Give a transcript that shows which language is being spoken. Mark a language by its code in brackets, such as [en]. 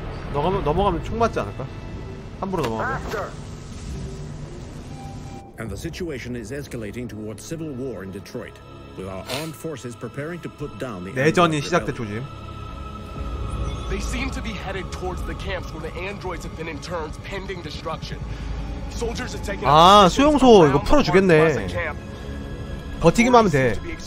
[ko] 넘어가면 총 맞지 않을까? 함부로 넘어가면. [en] And the situation is escalating towards civil war in Detroit. With our armed forces preparing to put down the [ko] 내전이 시작돼 조짐. [en] They seem to be headed towards the camps where the androids have been interned pending destruction. Soldiers are taking [ko] 아, 수용소 이거 풀어 주겠네. 버티기만 하면 돼.